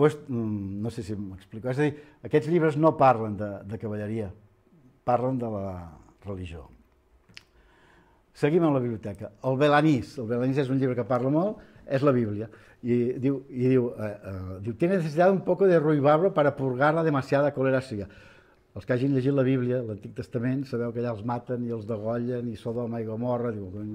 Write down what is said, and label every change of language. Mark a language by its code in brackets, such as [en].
[ca] No sé si m'explico, és a dir, aquests llibres no parlen de cavalleria, parlen de la religió. Seguim amb la biblioteca. El Belanís és un llibre que parla molt, és la Bíblia. [es] I diu, tiene necesidad un poco de ruibarbre para purgar la demasiada coleracia. [ca] Els que hagin llegit la Bíblia, l'Antic Testament, sabeu que allà els maten i els degollen, i Sodoma i Gomorra, diu...